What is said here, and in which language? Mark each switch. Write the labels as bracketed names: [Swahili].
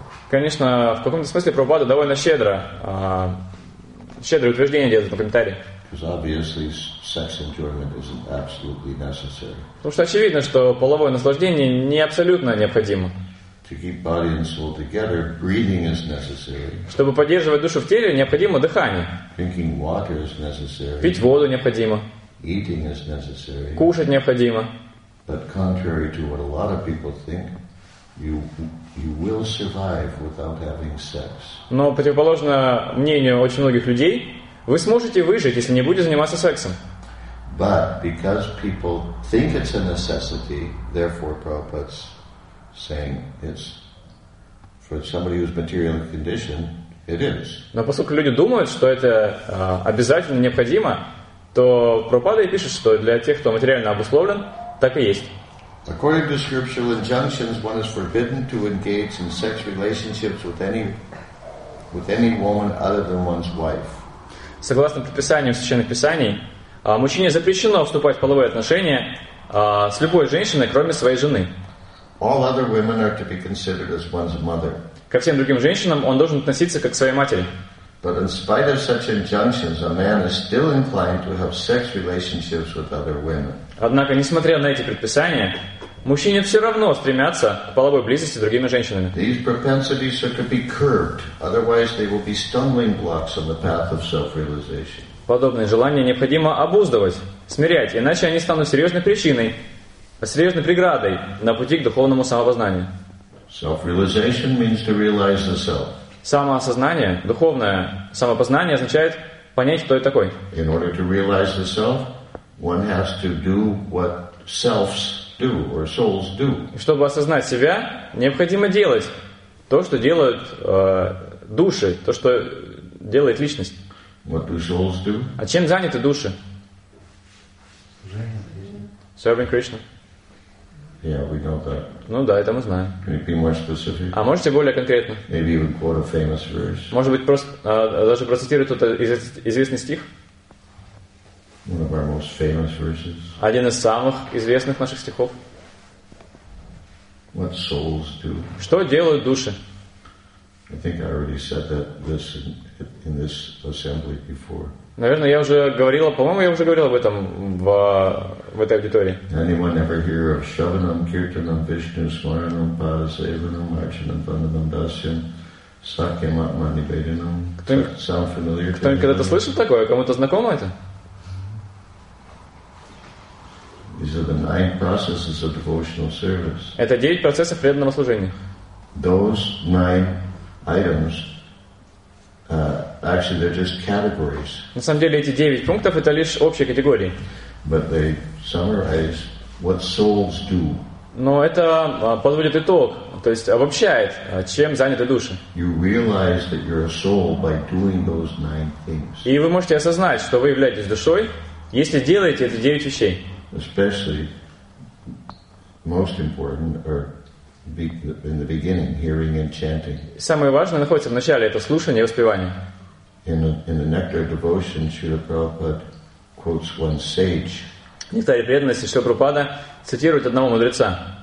[Russian] Конечно, в каком-то смысле Прабхупада довольно щедрое утверждение делает в этом комментарии. Потому что очевидно, что половое наслаждение не абсолютно необходимо. [English] To keep body and soul together, breathing is necessary. [Russian] Чтобы поддерживать душу в теле, необходимо дыхание. [English] Drinking water is necessary. [Russian] Пить воду необходимо. [English] Eating is necessary. [Russian] Кушать необходимо. [English] But contrary to what a lot of people think, you will survive without having sex. [Russian] Но противоположно мнению очень многих людей, вы сможете выжить, если не будете заниматься сексом. [English] But because people think it's a necessity, therefore, Prabhupada's saying it's for somebody who's materially conditioned, it is. [Russian] Но поскольку люди думают, что это обязательно необходимо, то Прабхупада и пишет, что для тех, кто материально обусловлен, так и есть. [English] According to scriptural injunctions, one is forbidden to engage in sex relationships with any woman other than one's wife. [Russian] Согласно предписаниям Священных Писаний, мужчине запрещено вступать в половые отношения с любой женщиной, кроме своей жены. [English] All other women are to be considered as one's mother. [Russian] Ко всем другим женщинам он должен относиться как к своей матери. [English] But in spite of such injunctions, a man is still inclined to have sex relationships with other women. [Russian] Однако, несмотря на эти предписания, мужчине все равно стремятся к половой близости с другими женщинами. [English] These propensities are to be curbed, otherwise they will be stumbling blocks on the path of self-realization. [Russian] Подобные желания необходимо обуздывать, смирять, иначе они станут серьезной преградой на пути к духовному самопознанию. [English] Self-realization means to realize the self. [Russian] Самоосознание, духовное самопознание, означает понять, кто я такой. [English] In order to realize the self, one has to do what selves do or souls do. [Russian] Чтобы осознать себя, необходимо делать то, что делают души, то, что делает личность. [English] What do souls do? [Russian] А чем заняты души? [English] Serving Krishna. Yeah, we know that. [Russian] Ну да, это мы знаем. [English] Can you be more specific? [Russian] А можете более конкретно? [English] Maybe even quote a famous verse. [Russian] Может быть, даже процитирует кто-то известный стих? [English] One of our most famous verses. [Russian] Один из самых известных наших стихов. [English] What souls do? [Russian] Что делают души? [English] I think I already said that this in this assembly before. [Russian] Наверное, я уже говорила, по-моему, я уже говорил об этом в этой аудитории. [English] Anyone ever hear of [Sanskrit] Shravanam, Kirtanam, Vishnu, Smaranam, Padasevanam, Archanam, Vandanam, Dasyam, Sakyam, Atmanivedanam? [Russian] Кто-нибудь когда-то слышал такое? Кому-то знакомо это? [English] These are the nine processes of devotional service. [Russian] Это 9 процессов преданного служения. [English] Those nine items. Actually, they're just categories. [Russian] На самом деле, эти 9 пунктов — это лишь общие категории. [English] But they summarize what souls do. [Russian] Но это подводит итог, то есть обобщает, чем заняты души. [English] You realize that you're a soul by doing those 9 things. [Russian] И вы можете осознать, что вы являетесь душой, если делаете эти 9 вещей. [English] Especially, most important are in the beginning, hearing and chanting. [Russian] Самое важное находится в начале — это слушание и воспевание. [English] In the nectar of devotion, Srila Prabhupada quotes one sage. [Russian] В нектаре преданности Шрила Прабхупада цитирует одного мудреца.